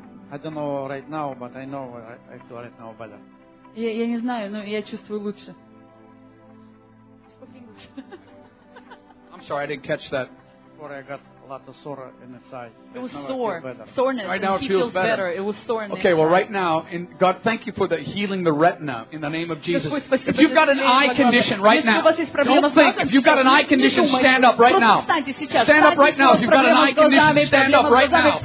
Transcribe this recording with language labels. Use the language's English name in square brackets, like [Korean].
[English] I don't know right now, but I know I feel right now better. [Russian] Я не знаю, но я чувствую лучше. [English] I'm sorry, I didn't catch that. Before I got a lot of sore in the side. It was now sore. I feel soreness. Right now it feels better. It was sore. In okay, well, right now, and God, thank you for the healing the retina in the name of Jesus. If you've got an eye condition right now, don't think. If you've got an eye condition, stand up right now. Stand up right now. If you've got an eye condition, stand up right now.